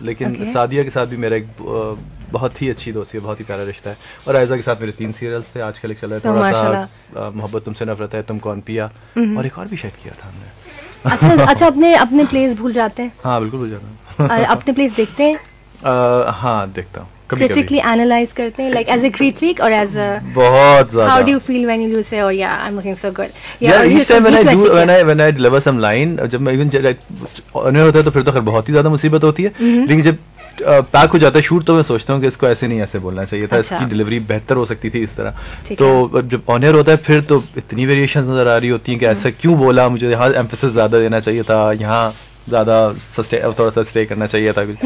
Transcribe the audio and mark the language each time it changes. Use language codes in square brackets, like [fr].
[hi] लेकिन सादिया के साथ भी मेरा एक बहुत ही अच्छी दोस्ती है, बहुत ही प्यारा रिश्ता है. और आयजा के साथ मेरे तीन सीरियल्स थे. आजकल एक चल रहा है मोहब्बत तुमसे नफरत है, तुम कौन पिया, और एक और भी शायद किया था हमने. अच्छा, अपने प्लेस भूल जाते हैं. हाँ बिल्कुल भूल जाता हूँ. अपने प्लेस देखते हैं? हाँ देखता हूँ. [en] Critically analyze [hi] करते हैं, [en] like as a critic or as a [hi] बहुत ज़्यादा. [en] How do you feel when you say, oh yeah, I'm looking so good? Yeah, each time when I deliver some line, [hi] जब मैं even अन्य होता है तो फिर तो खैर बहुत ही ज़्यादा मुसीबत होती है. लेकिन जब पैक हो जाता है शूट, तो मैं सोचता हूँ कि इसको ऐसे नहीं ऐसे बोलना चाहिए था. अच्छा. इसकी डिलीवरी बेहतर हो सकती थी इस तरह. तो जब ऑन एयर होता है फिर तो इतनी वेरिएशन नजर आ रही होती हैं कि ऐसा क्यों बोला, मुझे यहाँ एम्फेसिस ज्यादा देना चाहिए था, यहाँ ज्यादा थोड़ा सा स्टे करना चाहिए था.